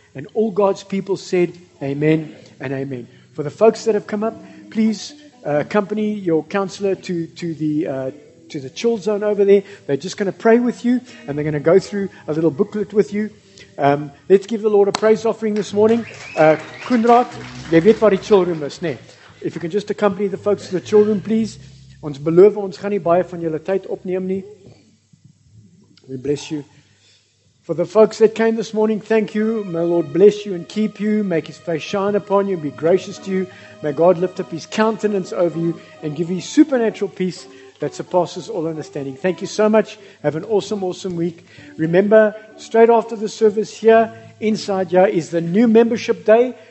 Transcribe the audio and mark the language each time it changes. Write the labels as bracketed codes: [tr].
[en] And all God's people said, amen and amen. For the folks that have come up, please accompany your counselor to the chill zone over there. They're just going to pray with you, and they're going to go through a little booklet with you. Let's give the Lord a praise offering this morning. [af] Koenraad, jy weet waar die chill room is, nee? [en] If you can just accompany the folks to the chill room, please. [af] Ons beloof, ons gaan nie baie van julle tyd opneem nie. [en] We bless you. For the folks that came this morning, thank you. May the Lord bless you and keep you, make his face shine upon you, and be gracious to you. May God lift up his countenance over you and give you supernatural peace that surpasses all understanding. Thank you so much. Have an awesome, awesome week. Remember, straight after the service here, inside here is the new membership day.